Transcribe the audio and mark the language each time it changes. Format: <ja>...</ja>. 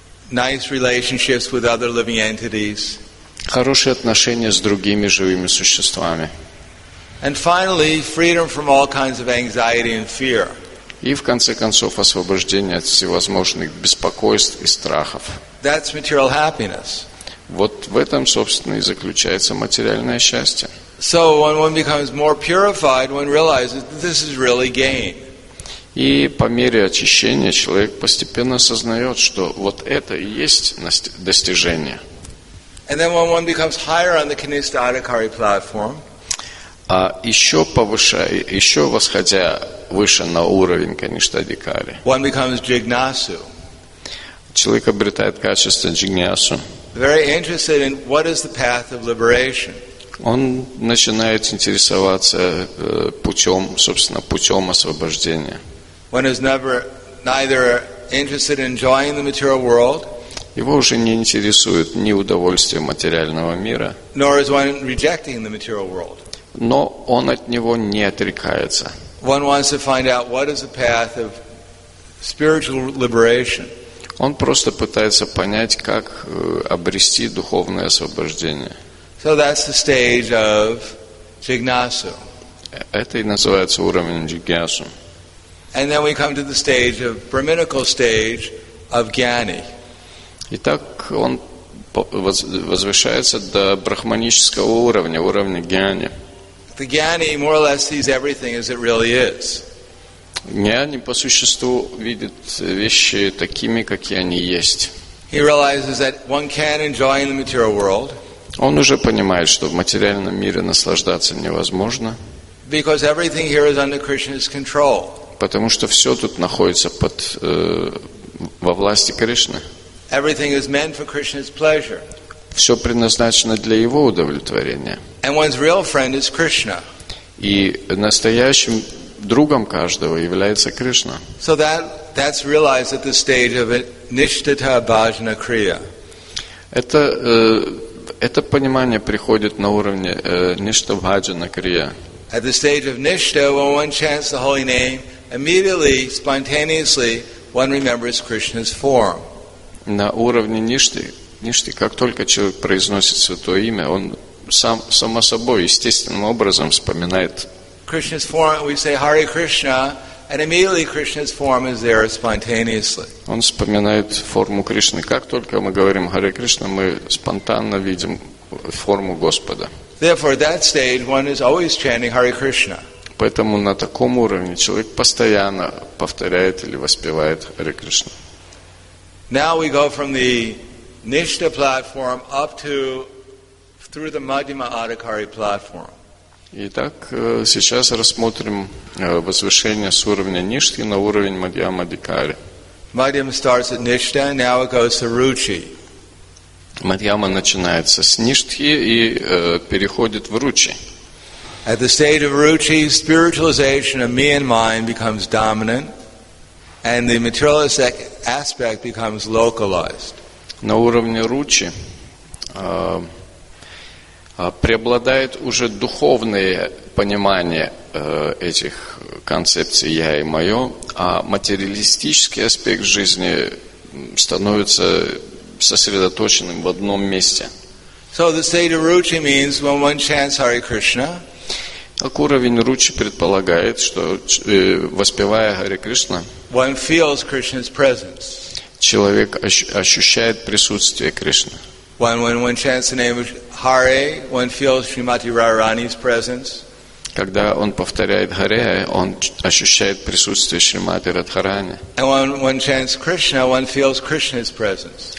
<en>Nice relationships with other living entities.</en> <ru>Хорошие отношения с другими живыми существами.</ru> <en>And finally, freedom from all kinds of anxiety and fear.</en> <ru>И в конце концов освобождение от всевозможных беспокойств и страхов.</ru> <en>That's material happiness.</en> <ru>Вот в этом, собственно, и заключается материальное счастье.</ru> <en>So when one becomes more purified, one realizes that this is really gain.</en> <ru>И по мере очищения человек постепенно осознает, что вот это и есть достижение.</ru> <en>And then when one becomes higher on the Kanista Adhikari platform,</en> <ru>а еще повышая, еще восходя выше на уровень Каништа Адхикари,</ru> <en>one becomes Jignasu.</en> <ru>Человек обретает качество Джигнясу.</ru> <en>Very interested in what is the path of liberation.</en> <ru>Он начинает интересоваться путем, собственно, путем освобождения.</ru> <en>One is never neither interested in enjoying the material world.</en> <ru>Его уже не интересует ни удовольствие материального мира.</ru> <en>Nor is one rejecting the material world.</en> <ru>Но он от него не отрекается.</ru> <en>One wants to find out what is the path of spiritual liberation.</en> <ru>Он просто пытается понять, как обрести духовное освобождение.</ru> <en>So that's the stage of Jignasu.</en> <ru>Это и называется уровень Джигьясу.</ru> <en>And then we come to the stage of brahminical stage of Gyani.</en> <ru>Итак, он возвышается до брахманического уровня, уровня Гьяни.</ru> <en>The Gyani more or less sees everything as it really is.</en> <ru>Гьяни по существу видит вещи такими, какие они есть.</ru> <en>He realizes that one can enjoy in the material world.</en> <ru>Он уже понимает, что в материальном мире наслаждаться невозможно.</ru> <en>Because everything here is under Krishna's control.</en> <ru>Потому что все тут находится под во власти Кришны.</ru> <en>Everything is meant for Krishna's pleasure.</en> <ru>Все предназначено для его удовлетворения.</ru> <en>And one's real friend is Krishna.</en> <ru>И настоящим другом каждого является Кришна.</ru> <en>So that's realized at the stage of Nishtita Bhajana Kriya.</en> <ru>Это понимание приходит на уровне Ништа Бхаджана Крия.</ru> <en>At the stage of Nishta, when one chants the holy name, immediately, spontaneously, one remembers Krishna's form.</en> <ru>На уровне Ништы, как только человек произносит святое имя, он сам само собой естественным образом вспоминает</ru> <en>Krishna's form, we say Hare Krishna, and immediately Krishna's form is there spontaneously.</en> <ru>Он вспоминает форму Кришны. Как только мы говорим Hare Krishna, мы спонтанно видим форму Господа.</ru> <en>Therefore, at that stage, one is always chanting Hare Krishna.</en> <ru>Поэтому на таком уровне человек постоянно повторяет или воспевает Hare Krishna.</ru> <en>Now we go from the Nishta platform up to through the Madhyama Adhikari platform.</en> <ru>Итак, сейчас рассмотрим возвышение с уровня Ништи на уровень Мадхьяма Адхикари.</ru> <en>Мадхьяма starts at Nishta, now it goes to Ruchi.</en> <ru>Мадхьяма начинается с Ништхи и переходит в Ручи.</ru> <en>At the stage of Ruchi, spiritualization of me and mine becomes dominant, and the materialistic aspect becomes localized.</en> <ru>На уровне Ручи преобладает уже духовное понимание этих концепций «я» и «моё», а материалистический аспект жизни становится сосредоточенным в одном месте.</ru> <en>So the state of Ruchi means when one chants Hare Krishna.</en> <ru>Так уровень Ручи предполагает, что воспевая Hare Krishna,</ru> <en>one feels Krishna's presence.</en> <ru>Человек ощущает присутствие Кришны.</ru> <en>When one chants the name of Hare, one feels Srimati Radharani's presence.</en> <ru>Когда он повторяет Hare, он ощущает присутствие Шримати Радхарани.</ru> <en>And when one chants Krishna, one feels Krishna's presence.</en>